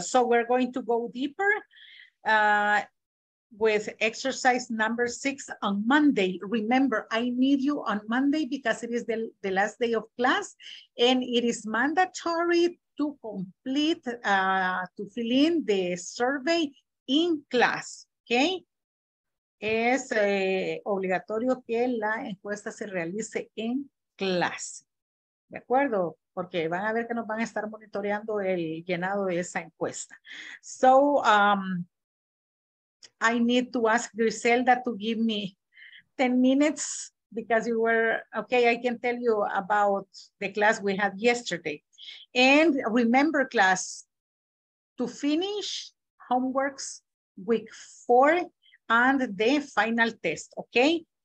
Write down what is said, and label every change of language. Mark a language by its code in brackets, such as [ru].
[en] So we're going to go deeper with exercise number six on Monday. Remember, I need you on Monday because it is the last day of class, and it is mandatory to complete, to fill in the survey in class, okay? [es] Es obligatorio que la encuesta se realice en clase, ¿de acuerdo? Porque van a ver que nos van a estar monitoreando el llenado de esa encuesta. [en] So, I need to ask Griselda to give me 10 minutes because you were, okay, I can tell you about the class we had yesterday. And remember, class, to finish homeworks week four and the final test, okay?